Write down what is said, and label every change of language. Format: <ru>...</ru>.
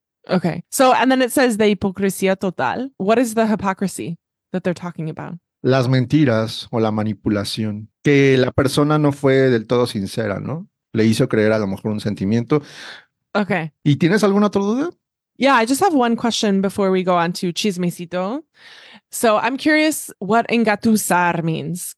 <en>Okay. So, and then it says</en> <es>de hipocresía total.</es> <en>What is the hypocrisy that they're talking about?</en> <es>Las mentiras o la manipulación. Que la persona no fue del todo sincera, ¿no? Le hizo creer a lo mejor un sentimiento.</es> <en>Okay.</en> <es>¿Y tienes alguna otra duda?</es> <en>Yeah, I just have one question before we go on to chismecito. So I'm curious what engatusar means.</en>